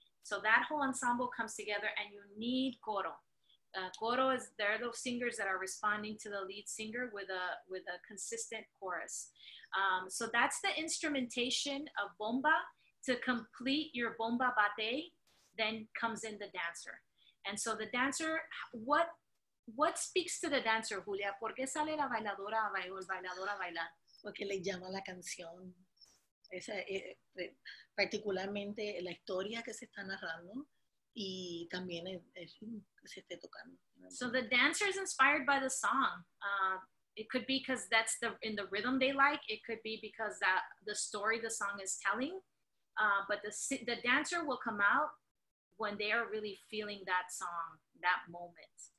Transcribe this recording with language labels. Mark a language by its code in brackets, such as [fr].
[en] So that whole ensemble comes together and you need coro. Coro is, there are those singers that are responding to the lead singer with a consistent chorus. So that's the instrumentation of bomba. To complete your bomba bate, then comes in the dancer. And so the dancer, what speaks to the dancer, Julia? [es] ¿Por qué sale la bailadora a bailar? Porque le llama la canción. Esa es particularmente la historia que se está narrando y también el ritmo que se esté tocando. [en] So the dancer is inspired by the song. It could be because that's the in the rhythm they like. It could be because that the story the song is telling. But the dancer will come out when they are really feeling that song, that moment.